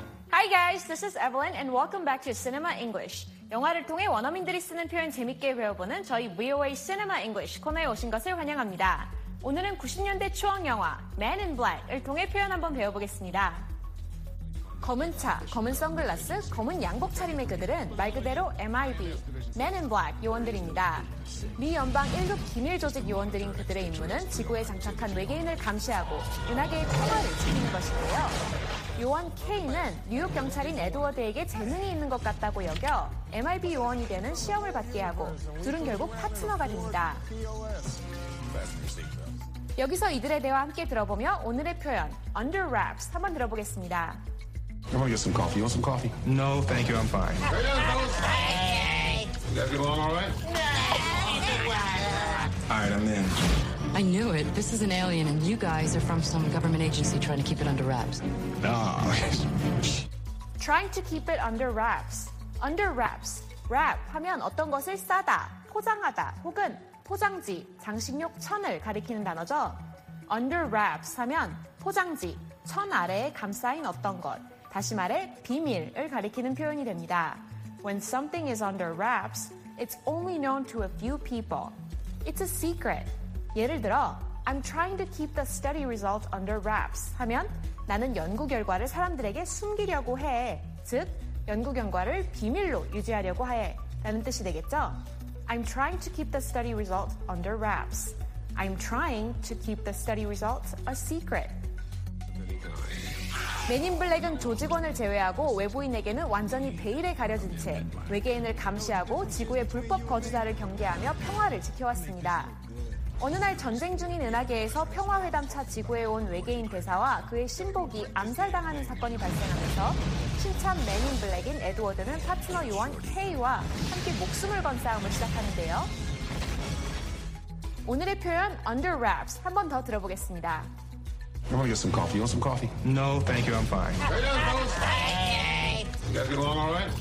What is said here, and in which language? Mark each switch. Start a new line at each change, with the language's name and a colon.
English: Hi guys, this is Evelyn and welcome back to Cinema English.
Korean: 영화를 통해 원어민들이 쓰는 표현 재밌게 배워보는 저희 VOA Cinema English 코너에 오신 것을 환영합니다. 오늘은 90년대 추억 영화 Man in Black을 통해 표현 한번 배워보겠습니다. 검은 차, 검은 선글라스, 검은 양복 차림의 그들은 말 그대로 MIB, Man in Black 요원들입니다. 미 연방 1급 기밀 조직 요원들인 그들의 임무는 지구에 장착한 외계인을 감시하고 은하계의 평화를 지키는 것인데요. 요원 K는 뉴욕 경찰인 에드워드에게 재능이 있는 것 같다고 여겨 MIB 요원이 되는 시험을 받게 하고 둘은 결국 파트너가 됩니다. 여기서 이들의 대화 함께 들어보며 오늘의 표현 under wraps 한번 들어보겠습니다.
English: I want to get some coffee. You want some coffee? No, thank you. I'm fine. Hey, you guys get along all right? No. All right, I'm in. I knew it. This is an alien, and you guys are from some government agency trying to keep it under wraps. No. Trying to keep it under wraps. Under wraps.
Korean: Wrap 하면 어떤 것을 싸다, 포장하다, 혹은 포장지, 장식용 천을 가리키는 단어죠. Under wraps 하면 포장지, 천 아래에 감싸인 어떤 것, 다시 말해 비밀을 가리키는 표현이 됩니다.
English: When something is under wraps, it's only known to a few people. It's a secret.
Korean: 예를 들어,
English: I'm trying to keep the study result under wraps
Korean: 하면 나는 연구 결과를 사람들에게 숨기려고 해. 즉, 연구 결과를 비밀로 유지하려고 해. 라는 뜻이 되겠죠.
English: I'm trying to keep the study results under wraps. I'm trying to keep the study results a secret.
Korean: 맨인블랙은 조직원을 제외하고 외부인에게는 완전히 베일에 가려진 채 외계인을 감시하고 지구의 불법 거주자를 경계하며 평화를 지켜왔습니다. 어느 날 전쟁 중인 은하계에서 평화회담차 지구에 온 외계인 대사와 그의 신복이 암살당하는 사건이 발생하면서 신참 맨인블랙인 에드워드는 파트너 요원 K와 함께 목숨을 건 싸움을 시작하는데요. 오늘의 표현 Under Wraps 한 번 더 들어보겠습니다.
English: You want to get some coffee? You want some coffee? No, thank you. I'm fine. Hey, there, thank you. You guys get along all right?